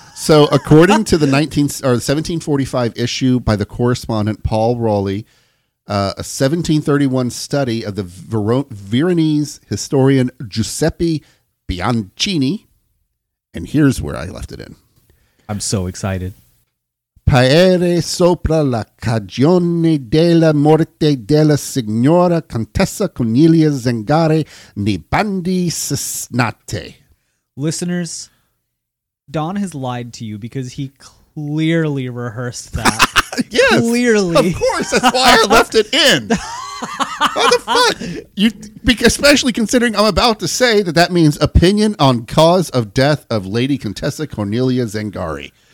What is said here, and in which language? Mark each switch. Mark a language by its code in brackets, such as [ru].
[en] So according to the 1745 issue by the correspondent Paul Raleigh, a 1731 study of the Veronese historian Giuseppe Bianchini, and here's where I left it in. I'm so excited. [it] Paere sopra la cagione della morte della signora Contessa Cornelia Zanghera Nibandi Sisnate. [en] Listeners, Don has lied to you because he clearly rehearsed that. Yes. Clearly. Of course. That's why I left it in. What the fuck? You, especially considering I'm about to say that that means opinion on cause of death of Lady Contessa Cornelia Zanghera.